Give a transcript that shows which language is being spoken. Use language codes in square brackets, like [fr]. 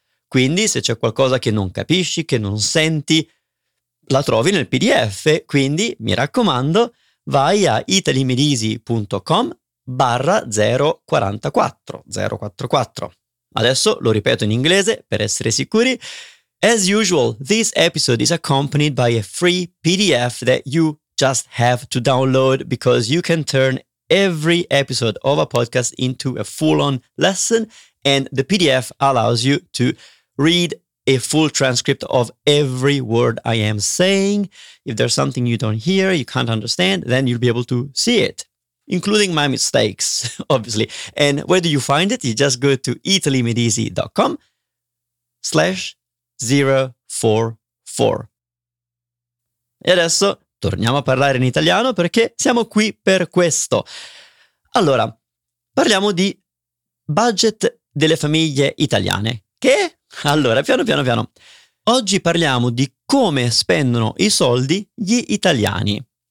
[it] Quindi se c'è qualcosa che non capisci, che non senti, la trovi nel PDF. Quindi mi raccomando, vai a italymedisi.com/044. Adesso lo ripeto in inglese per essere sicuri. [en] As usual, this episode is accompanied by a free PDF that you just have to download, because you can turn every episode of a podcast into a full-on lesson, and the PDF allows you to read a full transcript of every word I am saying. If there's something you don't hear, you can't understand, then you'll be able to see it, including my mistakes, obviously. And where do you find it? You just go to italymedisi.com/044. [it] E adesso torniamo a parlare in italiano, perché siamo qui per questo. Allora, parliamo di budget delle famiglie italiane. Che? Allora, piano. Oggi parliamo di come spendono i soldi gli italiani.